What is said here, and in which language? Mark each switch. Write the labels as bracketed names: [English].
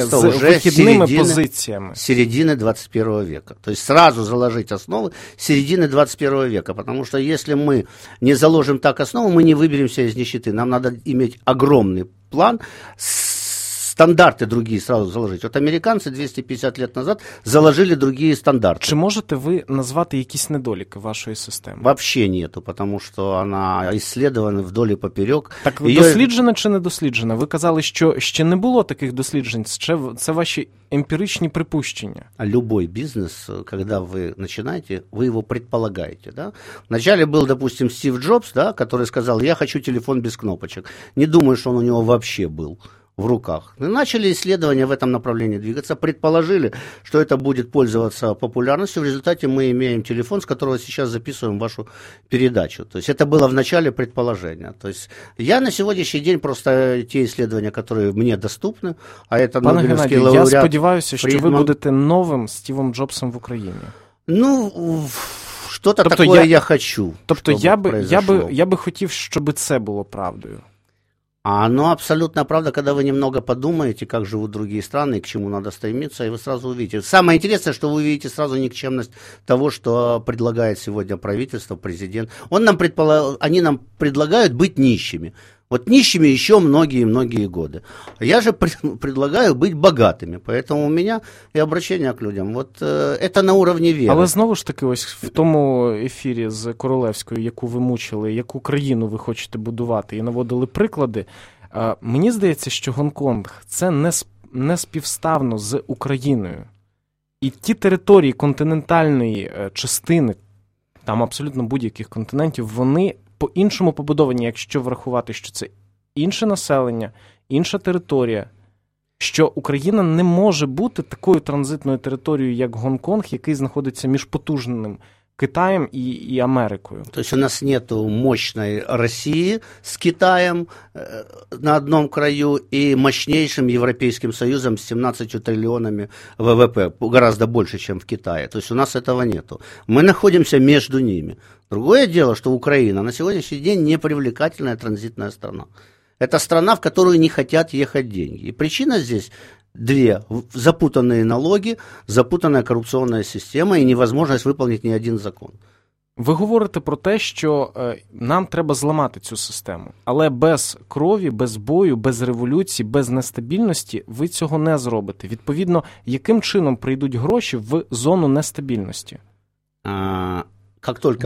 [Ukrainian] з вихідними позиціями. [Russian] Середины 21 века. То есть сразу заложить основы середины 21 века, потому что если мы не заложим так основу, мы не выберемся из нищеты. Нам надо иметь огромный план с стандарти другі сразу заложити. [Ukrainian] От американці 250 років назад заложили другі стандарти. Чи можете ви назвати якісь недоліки вашої системи? Вообще нету, тому що вона исследована вдоль і поперек. Так досліджена чи не досліджена? Ви казали, що ще не було таких досліджень. Це ваші емпіричні припущення. А любой бізнес, коли ви починаєте, ви його предполагаєте. [Russian] Да? Вначале був, допустим, Стів Джобс, да, который сказав, я хочу телефон без кнопочек. [Ukrainian] Не думаю, що він у нього вообще був. В руках. [Russian] Мы начали исследования в этом направлении двигаться, предположили, что это будет пользоваться популярностью. В результате мы имеем телефон, с которого сейчас записываем вашу передачу. То есть это было в начале предположения. То есть я на сегодняшний день просто те исследования, которые мне доступны, а это Нобелевский лауреат. [Ukrainian] Я сподіваюся, [Russian] что вы будете новым Стивом Джобсом в Украине. Ну, что-то такое я хочу. Тобто я бы хотел, чтобы это было правдой. А оно абсолютно правда, когда вы немного подумаете, как живут другие страны, к чему надо стремиться, и вы сразу увидите. Самое интересное, что вы увидите сразу никчемность того, что предлагает сегодня правительство, президент. Они нам предлагают быть нищими. Вот нищими еще многие-многие годы. А я же предлагаю быть богатыми. Поэтому у меня и обращение к людям. Вот это на уровне веры. [Ukrainian] Але знову ж таки, ось в тому ефірі з Королевською, яку ви мучили, яку країну ви хочете будувати, і наводили приклади, мені здається, що Гонконг – це не співставно з Україною. І ті території континентальної частини, там абсолютно будь-яких континентів, вони по-іншому побудовані, якщо врахувати, що це інше населення, інша територія, що Україна не може бути такою транзитною територією, як Гонконг, який знаходиться між потужним [Russian] Китаем и Америкой. То есть у нас нет мощной России с Китаем на одном краю и мощнейшим Европейским Союзом с 17 триллионами ВВП, гораздо больше, чем в Китае. То есть у нас этого нету. Мы находимся между ними. Другое дело, что Украина на сегодняшний день не привлекательная транзитная страна. Это страна, в которую не хотят ехать деньги. И причина здесь... Две. Запутанные налоги, запутанная коррупционная система и невозможность выполнить ни один закон. [Ukrainian] Ви говорите про те, що нам треба зламати цю систему. Але без крові, без бою, без революції, без нестабільності ви цього не зробите. Відповідно, яким чином прийдуть гроші в зону нестабільності? [Russian] Как только